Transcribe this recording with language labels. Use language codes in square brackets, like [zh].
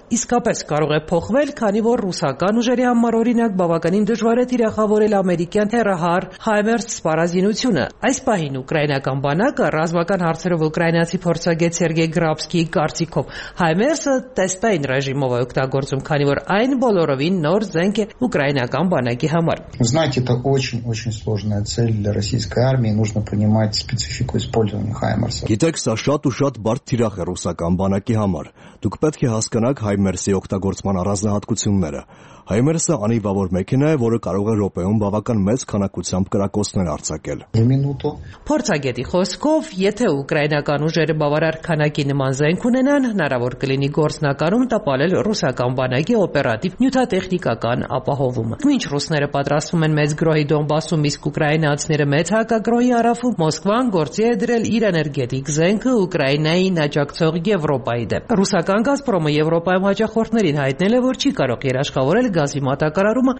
[hy] իսկապես կարող է փոխվել, քանի որ ռուսական ուժերի համար, օրինակ, բավականին դժվար է թիրախավորել ամերիկյան հեռահար Հայմերս սպառազինությունը։ Այս պահին ուկրաինական բանակը ռազմական հարցերով ուկրաինացի փորձագետ Սերգեյ Գրաբսկիի կարծիքով Հայմերսը տեստային ռեժիմով է օգտագործում, քանի որ այն բոլորովին նոր զենք է ուկրաինական բանակի համար։ [ru] Знаете, это очень-очень сложная цель для российской армии, нужно понимать специфику использования Хаймерса. [hy] Գիտեք, սա շատ ու շատ բարդ թիրախ է ռուսական բանակի համար։ Դուք պետք է հասկանաք Հայմերսի օգտագործման առանձնահատկությունները։ Հայմերսը անիվավոր մեքենա է, որը կարող է ռոպեում բավական մեծ քանակությամբ կրակոցներ արձակել։ Փորձագետի խոսքով, եթե ուկրաինական ուժերը բավարար քանակի նման զենք ունենան, հնարավոր կլինի գործնականում տապալել ռուսական բանակի օպերատիվ նյութատեխնիկական ապահովումը։ Մինչ ռուսները պատրաստվում են մեծ գրոհի Դոնբասում, իսկ ուկրաինացիները մեծ հակագրոհի առաջում, Մոսկվան գործի է դրել իր էներգետիկ զենքը Ուկրաինային աջակցող Եվրոպայի դեմ։ Ռուսական Գազպրոմը Եվրոպայում հաջախորդներին հայտնել է, որ չի կարող երաշխավորել գազի մատակարարումը